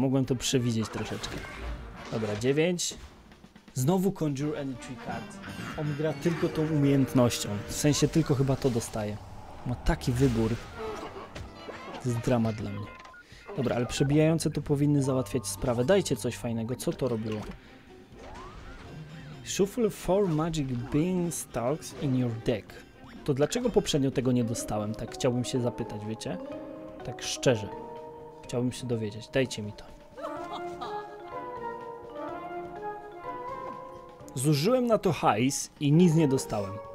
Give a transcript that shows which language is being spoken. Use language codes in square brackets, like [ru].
[pl] Mogłem to przewidzieć troszeczkę. Dobra, 9. Znowu [en] conjure any tree card. [pl] On gra tylko tą umiejętnością. W sensie tylko chyba to dostaje. Ma taki wybór. To jest dramat dla mnie. Dobra, ale przebijające to powinny załatwiać sprawę. Dajcie coś fajnego. Co to robiło? [en] Shuffle 4 magic beanstalks in your deck. [pl] To dlaczego poprzednio tego nie dostałem? Tak chciałbym się zapytać, wiecie? Tak szczerze. Chciałbym się dowiedzieć. Dajcie mi to. Zużyłem na to hajs i nic nie dostałem.